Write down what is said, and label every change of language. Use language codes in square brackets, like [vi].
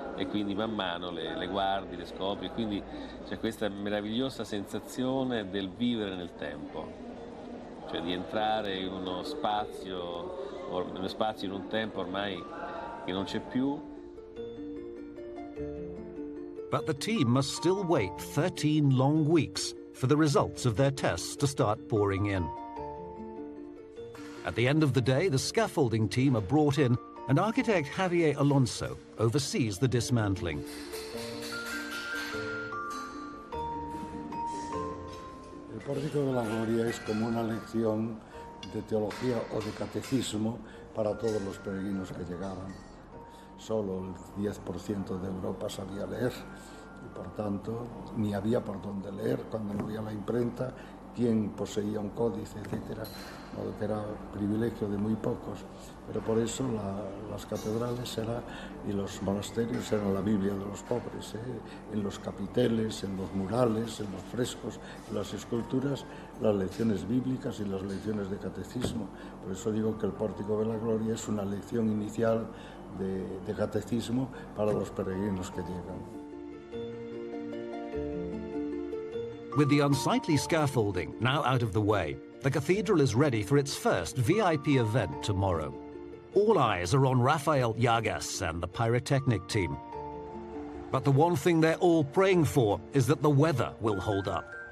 [it] E quindi man mano le guardi, le scopri, e quindi c'è questa meravigliosa sensazione del vivere nel tempo. Cioè di entrare in uno spazio, in un tempo ormai che non c'è più. [en] But the team must still wait 13 long weeks for the results of their tests to start pouring in. At the end of the day, the scaffolding team are brought in and architect Javier Alonso oversees the dismantling. [es] El pórtico de la gloria es como una lección de teología o de catecismo para todos los peregrinos que llegaban. Solo el 10% de Europa sabía leer y, por tanto, ni había por dónde leer cuando no había la imprenta, quién poseía un códice, etc. O que era privilegio de muy pocos. Pero por eso las catedrales y los monasterios eran la Biblia de los pobres. En los capiteles, en los murales, en los frescos, en las esculturas, las lecciones bíblicas y las lecciones de catecismo. Por eso digo que el Pórtico de la Gloria es una lección inicial de catecismo para los peregrinos que llegan. [en] With the unsightly scaffolding now out of the way, the cathedral is ready for its first VIP event tomorrow. All eyes are on Rafael Yagas and the pyrotechnic team. But the one thing they're all praying for is that the weather will hold up.